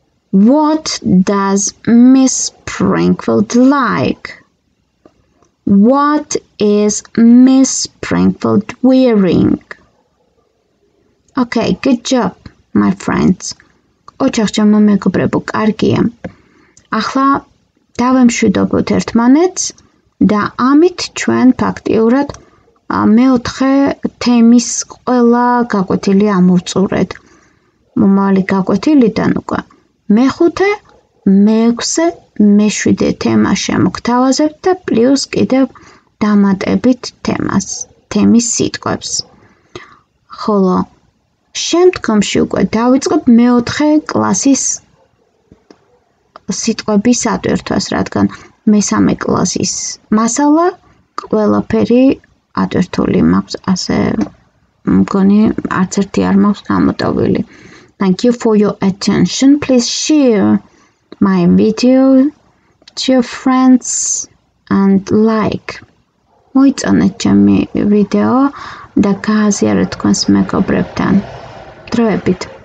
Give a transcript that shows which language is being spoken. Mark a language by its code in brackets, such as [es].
[en] What does Miss Springfield like? What is Miss Springfield wearing? Okay, good job, my friends. [ka] Ოჯახჩემო მეგობრებო, კარგია. Ახლა დავემშვიდობოთ ერთმანეთს. Da amit ჩვენ ფაქტიურად მეოთხე თემის ყველა გაკვეთილი ამოვწურეთ. მომავალი გაკვეთილიდან უკვე მეხუთე, მეექვსე, მეშვიდე თემა შემოგთავაზებთ და პლუს კიდევ დამატებით თემას, თემის სიტყვებს. ხოლო შემდგომში უკვე დავიწყებ მეოთხე კლასის სიტყვების ატვირთვას, რადგან მესამე კლასის მასალა ყველაფერი ატვირთული მაქვს, ასე მგონი არც ერთი არ მაქვს გამოტოვილი. [en] Thank you for your attention. Please share my video to your friends and like. [ka] მოიწონეთ ჩემი ვიდეო და გააზიაროთ თქვენს მეგობრებთან. დროებით.